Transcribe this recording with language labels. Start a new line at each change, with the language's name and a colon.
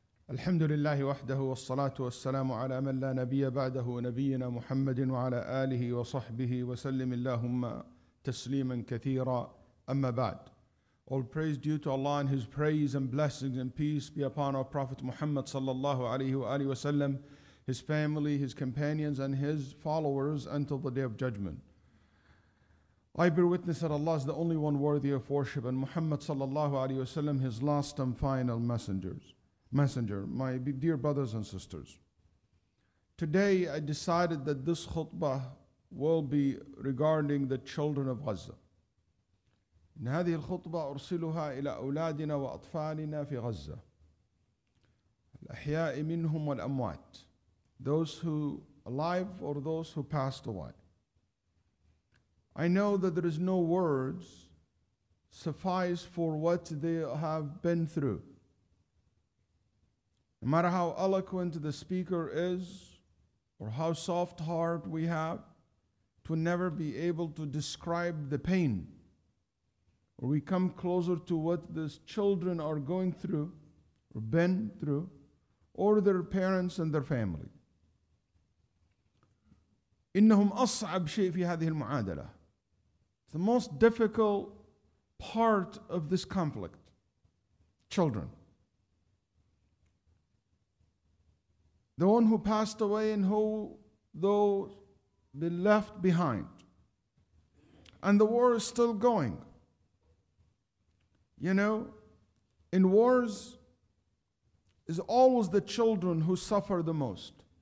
Arabic: الحمد لله وحده والصلاة والسلام على من لا نبي بعده نبينا محمد وعلى آله وصحبه وسلم اللهم تسليما كثيرا أما بعد.
English: All praise due to Allah and His praise and blessings and peace be upon our Prophet Muhammad sallallahu alayhi wa alihi wa sallam, his family, his companions and his followers until the day of judgment. I bear witness that Allah is the only one worthy of worship and Muhammad sallallahu alayhi wa sallam, his last and final messengers. Messenger, my dear brothers and sisters. Today I decided that this khutbah will be regarding the children of Gaza.
Arabic: إن هذه الخطبة أرسلها إلى أولادنا وأطفالنا في غزة. الأحياء منهم والأموات.
English: Those who alive or those who passed away. I know that there is no words suffice for what they have been through. No matter how eloquent the speaker is, or how soft heart we have, to never be able to describe the pain, or we come closer to what these children are going through, or been through, or their parents and their family.
Arabic: إنهم أصعب شيء في هذه المعادلة.
English: It's the most difficult part of this conflict, children. The one who passed away and who those been left behind. And the war is still going. You know, in wars, it's always the children who suffer the most.